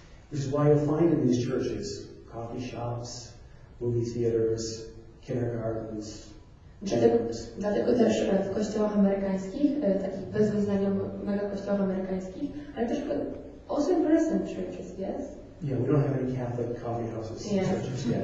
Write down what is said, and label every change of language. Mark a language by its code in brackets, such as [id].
[en] This is why you find in these churches coffee shops, movie theaters, kindergartens. [pl] Dlatego też w kościołach amerykańskich, takich bezwyznaniowych mega kościołach amerykańskich, ale też [en] also in protestant churches, yes? Yeah, we don't have any Catholic coffee houses in churches yet.